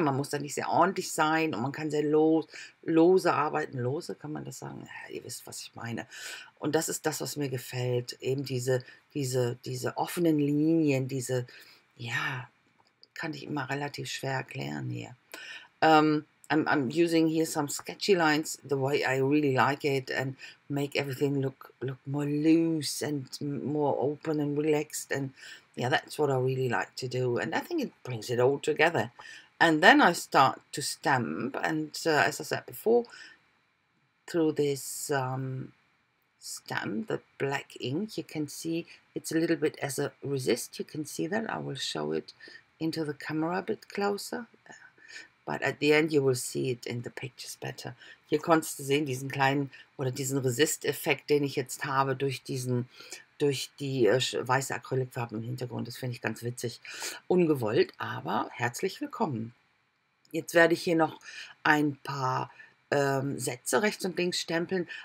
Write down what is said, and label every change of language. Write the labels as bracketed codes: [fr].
[de] Man muss da nicht sehr ordentlich sein und man kann sehr lose arbeiten. Lose, kann man das sagen? Ja, ihr wisst, was ich meine. Und das ist das, was mir gefällt. Eben diese offenen Linien, kann ich immer relativ schwer erklären hier. [en] I'm using here some sketchy lines the way I really like it and make everything look more loose and more open and relaxed. And yeah, that's what I really like to do. And I think it brings it all together. And then I start to stamp. And as I said before, through this stamp, the black ink, you can see it's a little bit as a resist. You can see that. I will show it into the camera a bit closer. But at the end you will see it in the pictures better. [de] Hier konntest du sehen, diesen kleinen oder diesen Resist-Effekt, den ich jetzt habe durch die weiße Acrylicfarben im Hintergrund. Das finde ich ganz witzig. Ungewollt, aber herzlich willkommen. Jetzt werde ich hier noch ein paar Sätze rechts und links stempeln.